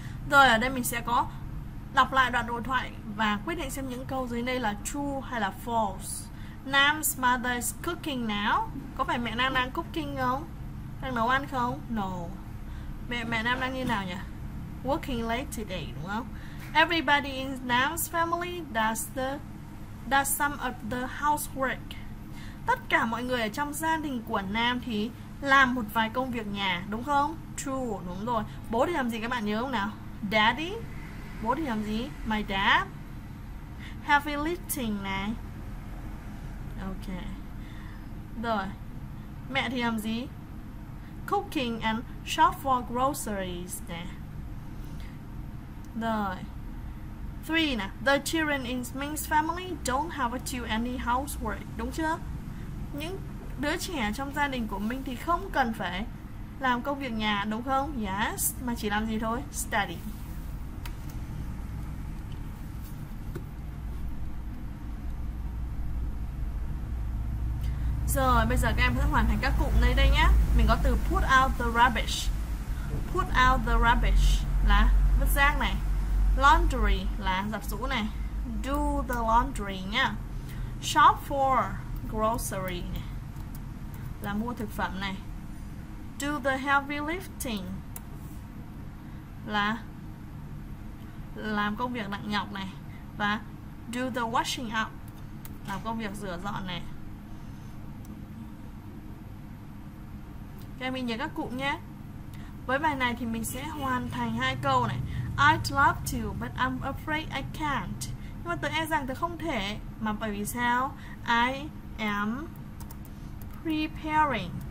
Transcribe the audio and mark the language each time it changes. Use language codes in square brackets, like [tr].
[vi] Rồi, ở đây mình sẽ có đọc lại đoạn đối thoại và quyết định xem những câu dưới đây là true hay là false. [en] Nam's mother is cooking now. [vi] Có phải mẹ Nam đang cooking không? Đang nấu ăn không? No. Mẹ Nam đang như nào nhỉ? [en] Working late today, [vi] đúng không? [en] Everybody in Nam's family does some of the housework. [vi] Tất cả mọi người ở trong gia đình của Nam thì làm một vài công việc nhà, đúng không? True, đúng rồi. Bố thì làm gì các bạn nhớ không nào? Daddy. Bố thì làm gì? My dad. Heavy lifting này. Ok. Rồi. Mẹ thì làm gì? [en] Cooking and shop for groceries này. Rồi. Three nè. The children in Ming's family don't have to do any housework. [vi] Đúng chưa? Những đứa trẻ trong gia đình của Ming thì không cần phải làm công việc nhà, đúng không? Yes. Mà chỉ làm gì thôi? Study. Rồi, bây giờ các em sẽ hoàn thành các cụm đây nhé. Mình có từ put out the rubbish. Put out the rubbish là vứt rác này. Laundry là giặt giũ này. Do the laundry nhá. Shop for grocery này. Là mua thực phẩm này. Do the heavy lifting là làm công việc nặng nhọc này. Và do the washing up, làm công việc rửa dọn này. Các em nhớ các cụm nhé. Với bài này thì mình sẽ hoàn thành hai câu này. [en] I'd love to, but I'm afraid I can't. [vi] Nhưng mà tôi e rằng tôi không thể. Mà bởi vì sao? [en] I am preparing.